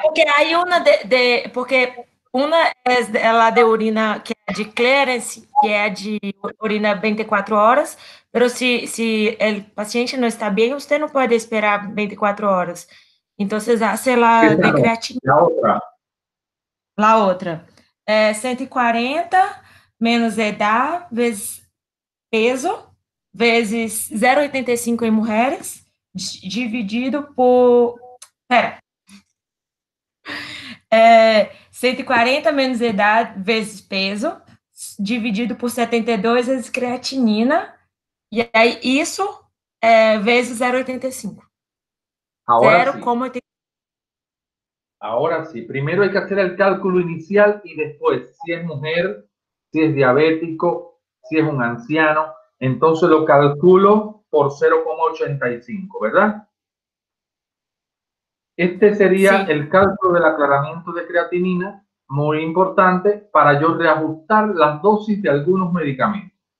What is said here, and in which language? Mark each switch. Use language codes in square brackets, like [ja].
[es] Porque hay una de porque una es de, la de orina que es de clearance, que es de orina 24 horas, pero si el paciente no está bien, usted no puede esperar 24 horas. Entonces hace la de creatina. La otra. La otra. [pt] 140 menos edad vezes peso vezes 0,85 em mulheres dividido por 140 menos edad vezes peso dividido por 72 vezes creatinina e aí isso vezes 0,85. 0,85. [es] Ahora sí, primero hay que hacer el cálculo inicial y después, si es mujer, si es diabético, si es un anciano, entonces lo calculo por 0,85, ¿verdad? Este sería sí. El cálculo del aclaramiento de creatinina, muy importante para yo reajustar las dosis de algunos medicamentos.